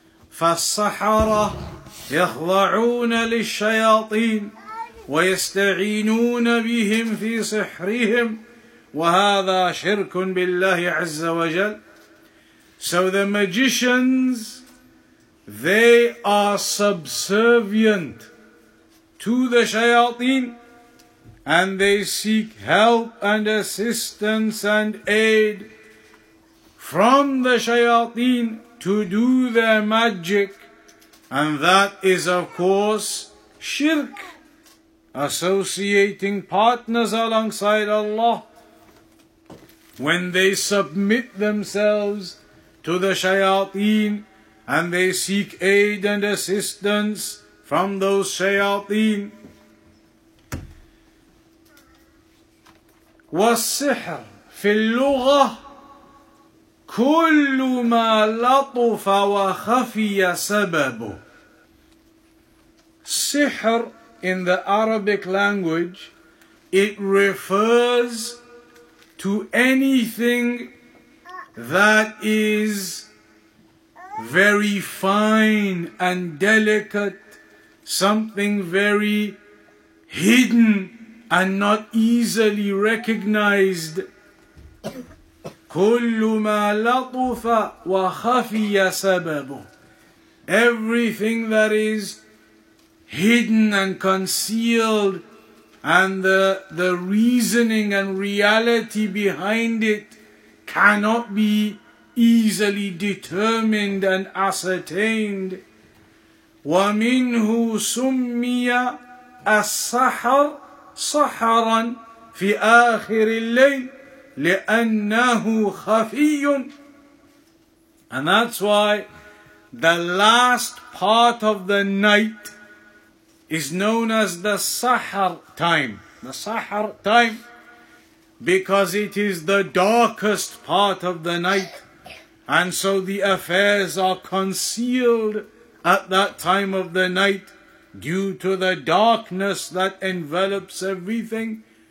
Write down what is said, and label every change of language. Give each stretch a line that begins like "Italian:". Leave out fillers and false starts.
Arabic: فالسحرة يخضعون للشياطين ويستعينون بهم في سحرهم وهذا شرك بالله عز وجل.
English: So the magicians, they are subservient to the shayateen and they seek help and assistance and aid from the shayateen to do their magic, and that is of course shirk, associating partners alongside Allah when they submit themselves to the shayateen and they seek aid and assistance from those shayateen.
Arabic: والسحر في اللغة كل ما لطف وخفي سببه.
English: Sihr in the Arabic language, it refers to anything that is very fine and delicate, something very hidden and not easily recognized.
Arabic: كل ما لطف وخفي سببه.
English: Everything that is hidden and concealed and the reasoning and reality behind it cannot be easily determined and ascertained.
Arabic: ومنه سمي السحر سحرا في آخر الليل لِأَنَّهُ خَفِيٌّ.
English: And that's why the last part of the night is known as the Sahar time. The Sahar time, because it is the darkest part of the night, and so the affairs are concealed at that time of the night due to the darkness that envelops everything.